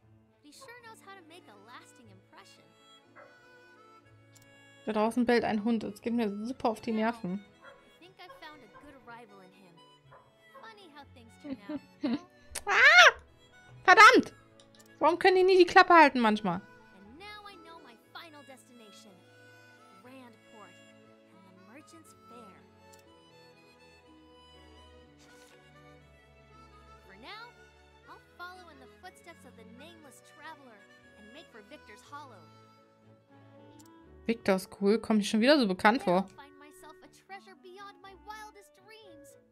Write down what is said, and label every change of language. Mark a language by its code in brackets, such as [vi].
[en] But he sure knows how to make a lasting impression. [de] Da draußen bellt ein Hund. Das geht mir super auf die Nerven. [en] I think I found a good rival in him. Funny how things turn out. [de] Ah! Verdammt! Warum können die nie die Klappe halten manchmal? [en] And now I know my final destination. Grandport and the Merchant's Fair. For now, I'll follow in the footsteps of the nameless traveler and make for Victor's Hollow. [de] Victor's cool, kommt mir schon wieder so bekannt vor. [en] I find myself a treasure beyond my wildest dreams.